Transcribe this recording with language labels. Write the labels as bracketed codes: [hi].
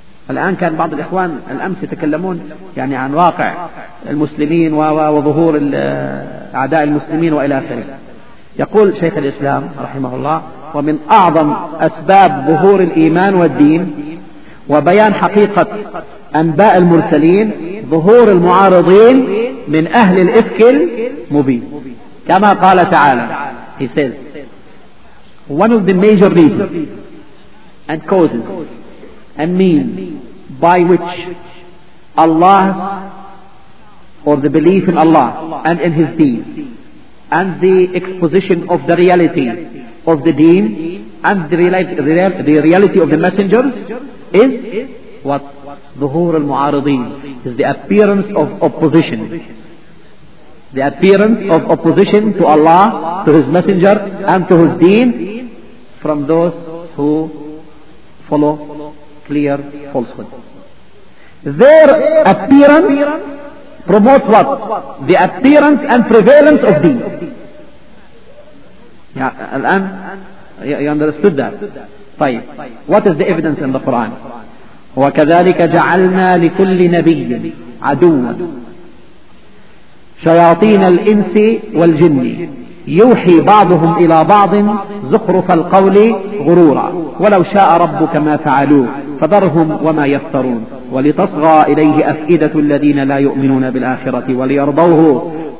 [ar] الآن كان بعض الإخوان الأمس يتكلمون يعني عن واقع المسلمين وظهور أعداء المسلمين وإلى آخره. يقول شيخ الإسلام رحمه الله, ومن أعظم أسباب ظهور الإيمان والدين وبيان حقيقة أنباء المرسلين ظهور المعارضين من أهل الإفك المبين. كما قال تعالى, [en] he says, one of the major reasons and causes and means by which Allah or the belief in Allah and in His deen and the exposition of the reality of the deen and the reality of the messengers is what? [ar] ظهور المعارضين, [en] is the appearance of opposition. The appearance of opposition to Allah, to His messenger and to His deen from those who follow clear falsehood. Their appearance promotes what? The appearance and prevalence of deen. الآن you understood that. طيب, what is the evidence in the Quran? [ar] وكذلك جعلنا لكل نبي عدوا شياطين الإنس والجن يوحي بعضهم إلى بعض زخرف القول غرورا ولو شاء ربك ما فعلوه فذرهم وما يفترون ولتصغى إليه أفئدة الذين لا يؤمنون بالآخرة وليرضوه